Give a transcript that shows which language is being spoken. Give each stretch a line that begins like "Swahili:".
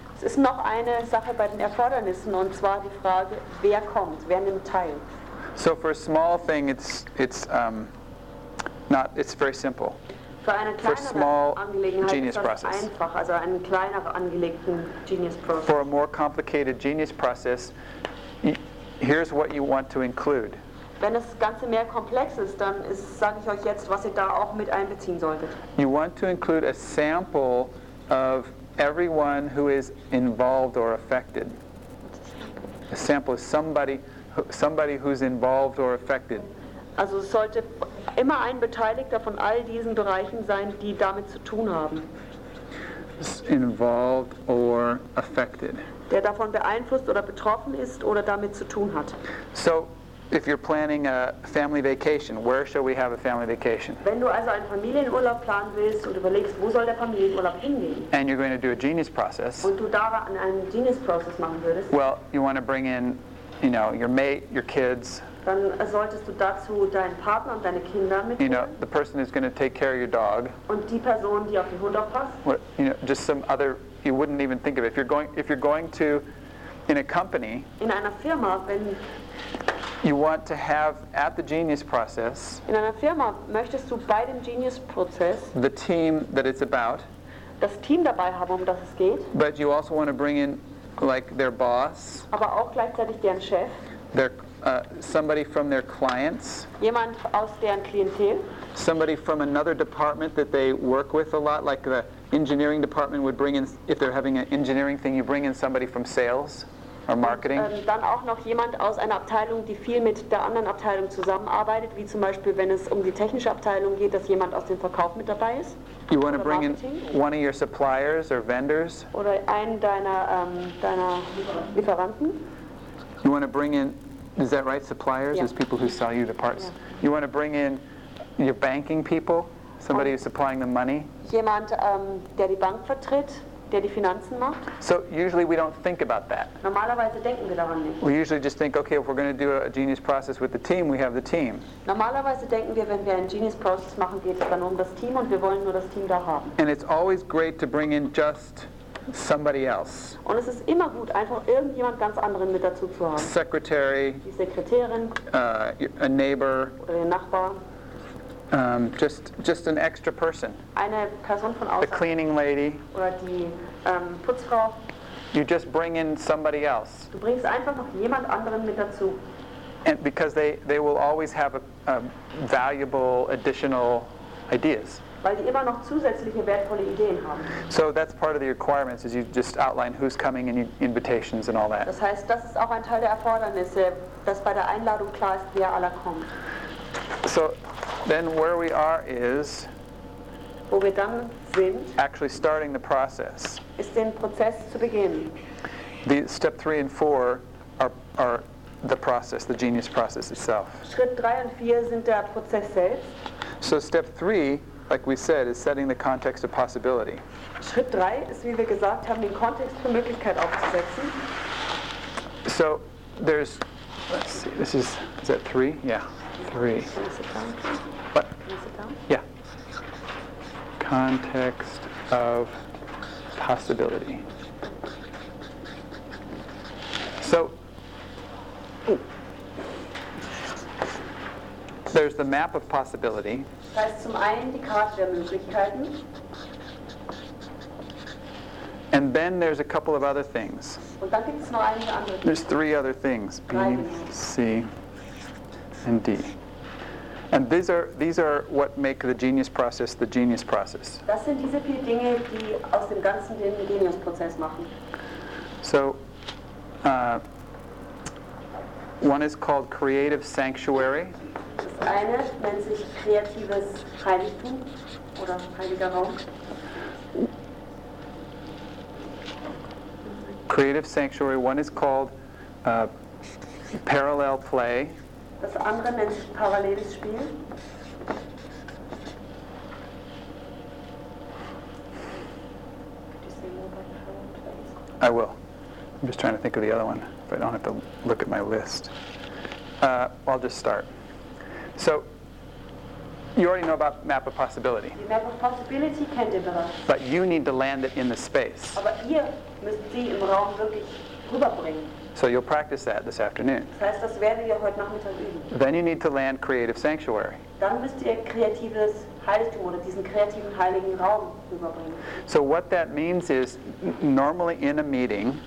German: Es ist noch eine Sache bei den Erfordernissen, und zwar die Frage, wer kommt, wer nimmt teil.
English: So for a small thing, it's very simple.
German: Für eine kleinere,
English: for a small genius process.
German: Einfach, also einen kleineren angelegten genius process.
English: For a more complicated genius process, here's what you want to include.
German: Wenn das Ganze mehr komplex ist, dann sage ich euch jetzt, was ihr da auch mit einbeziehen solltet.
English: You want to include a sample of everyone who is involved or affected. A sample of somebody who's involved or affected.
German: Also es sollte immer ein Beteiligter von all diesen Bereichen sein, die damit zu tun haben.
English: Involved or affected.
German: Der davon beeinflusst oder betroffen ist oder damit zu tun hat.
English: So if you're planning a family vacation, where shall we have a family vacation?
German: Wenn du also einen Familienurlaub planen willst und überlegst, wo soll der Familienurlaub hingehen?
English: And you're going to do a genius process.
German: Und du da einen genius process machen würdest.
English: Well, you want to bring in, you know, your mate, your kids.
German: Dann solltest du dazu deinen Partner und deine Kinder mitbringen.
English: You know, the person who's going to take care of your dog.
German: Und die Person, die auf den Hund aufpasst.
English: What, you know, just some other, you wouldn't even think of it. If you're going to, in a company.
German: In einer Firma, wenn.
English: You want to have at the genius process.
German: In einer Firma möchtest du bei dem genius Prozess.
English: The team that it's about.
German: Das Team dabei haben, um das es geht.
English: But you also want to bring in, like their boss,
German: aber auch gleichzeitig deren Chef,
English: their, somebody from their clients,
German: jemand aus deren Klientel,
English: somebody from another department that they work with a lot, like the engineering department would bring in, if they're having an engineering thing, you bring in somebody from sales or marketing.
German: Und, dann auch noch jemand aus einer Abteilung, die viel mit der anderen Abteilung zusammenarbeitet, wie zum Beispiel, wenn es um die technische Abteilung geht, dass jemand aus dem Verkauf mit dabei ist.
English: You want to bring in one of your suppliers or vendors.
German: Oder einen deiner Lieferanten.
English: You want to bring in, is that right, suppliers? Yeah. Is people who sell you the parts. Yeah. You want to bring in your banking people, somebody who's supplying the money.
German: Jemand, der die Bank vertritt, der die Finanzen macht.
English: So usually we don't think about that.
German: Normalerweise denken wir daran nicht.
English: We usually just think, okay, if we're going to do a genius process with the team, we have the team.
German: Normalerweise denken wir, wenn wir einen genius process machen, geht es dann um das Team, und wir wollen nur das Team da haben.
English: And it's always great to bring in just somebody else.
German: Und es ist immer gut, einfach irgendjemand ganz anderen mit dazu zu haben.
English: Secretary.
German: Die Sekretärin.
English: A neighbor.
German: Oder ihr Nachbar.
English: Just an extra person.
German: Eine Person von außen.
English: The cleaning lady.
German: Oder die Putzfrau.
English: You just bring in somebody else.
German: Du bringst einfach noch jemand anderen mit dazu.
English: And because they will always have a valuable additional ideas.
German: weil die immer noch zusätzliche wertvolle Ideen haben.
English: So that's part of the requirements, is you just outline who's coming and invitations and all that.
German: Das heißt, das ist auch ein Teil der Erfordernisse, dass bei der Einladung klar ist, wer alle kommt.
English: So then where we are is,
German: wo wir dann sind,
English: actually starting the process.
German: Ist den Prozess zu beginnen.
English: The step 3 and 4 are the process, the genius process itself.
German: Schritt 3 und 4 sind der Prozess selbst.
English: So step 3, like we said, is setting the context of possibility.
German: Schritt 3 ist, wie wir gesagt haben, den Kontext für Möglichkeit aufzusetzen.
English: So there's, let's see, this is that 3? Yeah, 3. What? Yeah. Context of possibility. So there's the map of possibility.
German: Das heißt, zum einen die Karte der Möglichkeiten.
English: And then there's a couple of other things.
German: Und dann gibt's noch einige andere.
English: There's three other things. B, C, and D. And these are what make the genius process the genius process.
German: Das sind diese vier Dinge, die aus dem Ganzen den Genius-Prozess machen.
English: So one is called creative sanctuary.
German: Das eine nennt sich kreatives Heiligtum oder heiliger Raum.
English: Creative sanctuary, one is called parallel play.
German: Das andere nennt sich paralleles Spiel.
English: I will. I'm just trying to think of the other one, if I don't have to look at my list. I'll just start. So, you already know about map of possibility.
German: Die map of possibility kennt ihr bereits.
English: But you need to land it in the space.
German: Aber ihr müsst sie im Raum wirklich rüberbringen.
English: So you'll practice that this afternoon.
German: Das heißt, das werden wir heute Nachmittag üben.
English: Then you need to land creative sanctuary.
German: Dann müsst ihr kreatives Heiligtum oder diesen kreativen heiligen Raum rüberbringen.
English: So what that means is, normally in a meeting.